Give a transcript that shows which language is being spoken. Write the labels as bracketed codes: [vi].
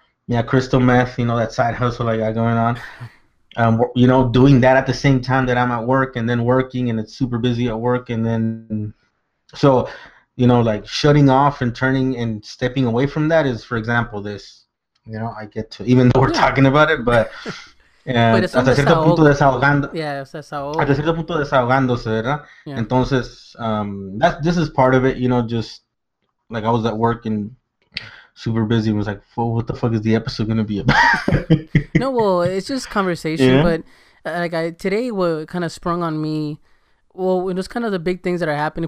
[en] Yeah, crystal meth, you know, that side hustle I got going on. You know, doing that at the same time that I'm at work and then working, and it's super busy at work. And then, so, you know, like shutting off and turning and stepping away from that is, for example, this, you know, I get to, even though we're talking about it, but. Yeah, [es] hasta cierto punto desahogando. [en] Yeah, [es] hasta cierto punto desahogándose, ¿verdad? [en] Entonces, this is part of it, you know, just like I was at work and. Super busy and was like, what the fuck is the episode going to be about? No, well, it's just conversation. Yeah. But like today what kind of sprung on me, well, it was kind of the big things that are happening.